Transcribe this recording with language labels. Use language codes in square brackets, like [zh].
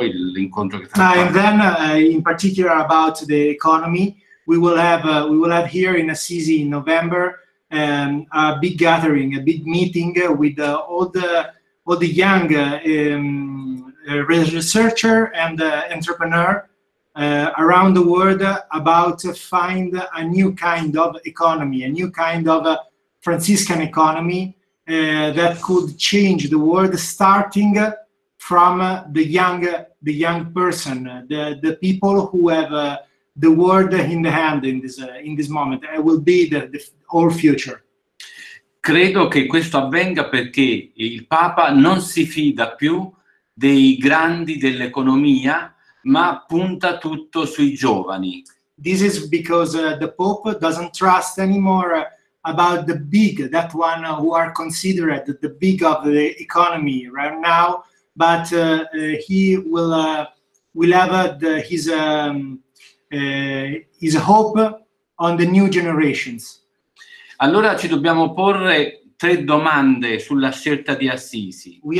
[en] And then, in particular, about the economy, we will have here in Assisi in November a big gathering, a big meeting with all the young researcher and entrepreneur around the world about to find a new kind of economy, a new kind of Franciscan economy that could change the world, starting from the young person, the people who have the world in the hand in this moment. It will be the whole future. [it] Credo che questo avvenga perché il Papa non si fida più dei grandi dell'economia, ma punta tutto sui giovani. [en] This is because the Pope doesn't trust anymore about the big, that one who are considered the big of the economy right now, but he will have his hope on the new generations. [it] Allora ci dobbiamo porre tre domande sulla scelta di Assisi.